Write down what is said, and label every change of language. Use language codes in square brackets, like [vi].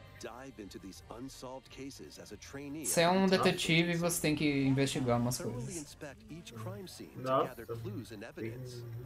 [en] Dive into these unsolved cases as a trainee. [pt] Você é um detetive e você tem que investigar umas coisas. [en] Inspect each crime scene to gather clues and evidence.